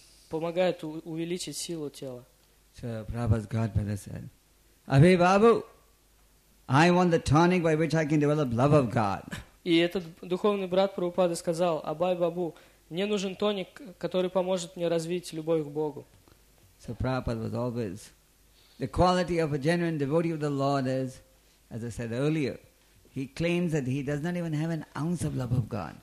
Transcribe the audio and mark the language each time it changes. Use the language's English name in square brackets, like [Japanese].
[Russian] Помогает увеличить силу тела. [English] So Prabhupada's godbrother said, "Abhi Babu, I want the tonic by which I can develop love of God." [Russian] И этот духовный брат Прабхупады сказал, "Абай Бабу, мне нужен тоник, который поможет мне развить любовь к Богу." [English] So Prabhupada was always, the quality of a genuine devotee of the Lord is, as I said earlier, he claims that he does not even have an ounce of love of God.